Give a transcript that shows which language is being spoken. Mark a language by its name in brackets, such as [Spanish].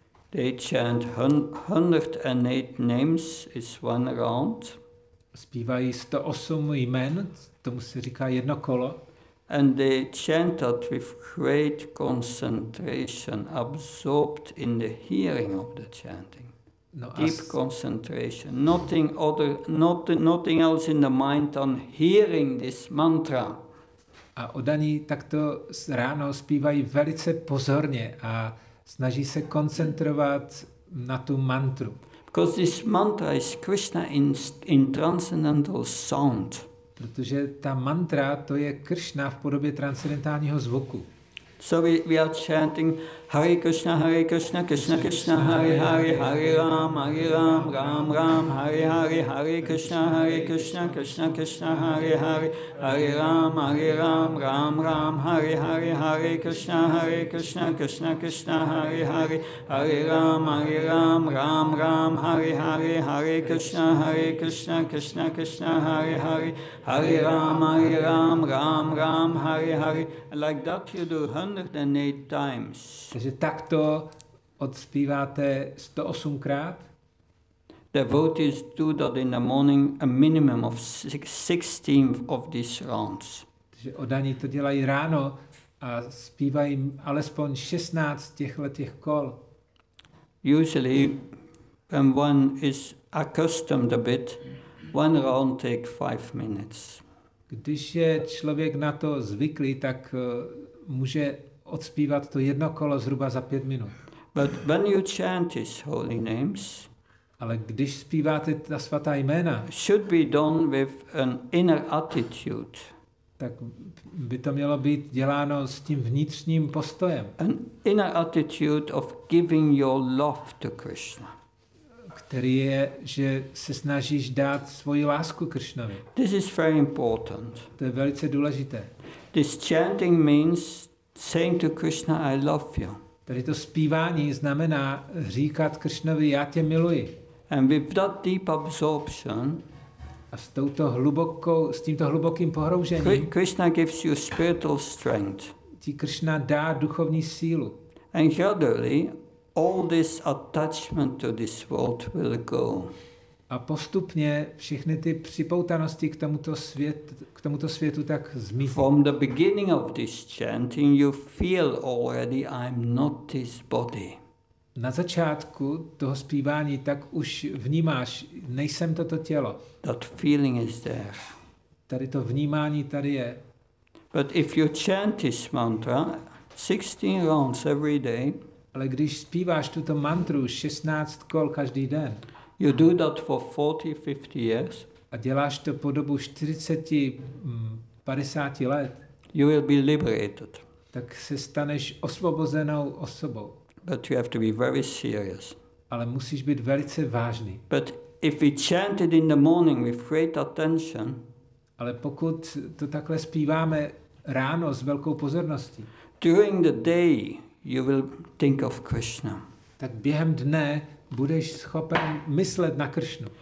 [English] They chant 108 names is one round. [Czech] Zpívají 108 jmen, tomu se říká jedno kolo. [English] And they chant it with great concentration, absorbed in the hearing of the chanting. No, deep concentration, nothing else in the mind on hearing this mantra. [Czech] A oddaní takto ráno zpívají velice pozorně a snaží se koncentrovat na tu mantru. [English] Because this mantra is Krishna in transcendental sound. [Czech] Protože ta mantra to je Krishna v podobě transcendentálního zvuku. [English] So we are chanting [Sanskrit] Hare Krishna, Hare Krishna, Krishna Krishna, Hare Hare, Hare Ram, Hare Ram, Ram Ram, Hare Hare, Hare Krishna, Hare Krishna, Krishna Krishna, Hare Hare, Hare Ram, Hare Ram, Ram Ram, Hare Hare, Hare Krishna, Hare Krishna, Krishna Krishna, Hare Hare, Hare Ram, Hare Ram, Ram Ram, Hare Hare, Hare Krishna, Hare Krishna, Krishna Krishna, Hare Hare, Hare Ram, Hare Ram, Ram Ram, Hare Hare. [English] Like that you do 108 times. [Czech] Takže takto odspíváte 108krát. [English] Devotees do that in the morning a minimum of 16 of these rounds. [Czech] Takže oddaní to dělají ráno a zpívají alespoň 16 těch kol. [English] Usually when one is accustomed a bit, One round take 5 minutes. [Czech] Když je člověk na to zvyklý, tak může odspívat to jedno kolo zhruba za 5 minut. [English] But when you chant his holy names, [Czech] ale když zpíváte ta svatá jména, [English] should be done with an inner attitude. [Czech] Tak by to mělo být děláno s tím vnitřním postojem. [English] An inner attitude of giving your love to Krishna. [Czech] Který je, že se snažíš dát svoji lásku Krishnovi. [English] This is very important. [Czech] To je velice důležité. [English] This chanting means saying to Krishna, I love you. [Czech] Tady to zpívání znamená říkat Krishnovi, já tě miluji. [English] And with that deep absorption, [Czech] a s tímto hlubokým pohroužením, [English] Krishna gives you spiritual strength. [Czech] Ti Krishna dá duchovní sílu. [English] And gradually, all this attachment to this world will go. [Czech] A postupně všechny ty připoutanosti k tomuto světu tak zmizí. [English] From the beginning of this chanting, you feel already I'm not this body. [Czech] Na začátku toho zpívání tak už vnímáš, nejsem toto tělo. [English] That feeling is there. [Czech] Tady to vnímání tady je. [English] But if you chant this mantra 16 rounds every day, [Czech] ale když zpíváš tuto mantru 16 kol každý den, [English] you do that for 40-50 years, [Czech] a děláš to po dobu 40-50 let, [English] you will be liberated. [Czech] Tak se staneš osvobozenou osobou. [English] But you have to be very serious. [Czech] Ale musíš být velice vážný. [English] But if we chant it in the morning with great attention, [Czech] ale pokud to takhle zpíváme ráno s velkou pozorností, [English] during the day you will think of Krishna. [Czech] Tak během dne budeš schopen myslet na Krishnu.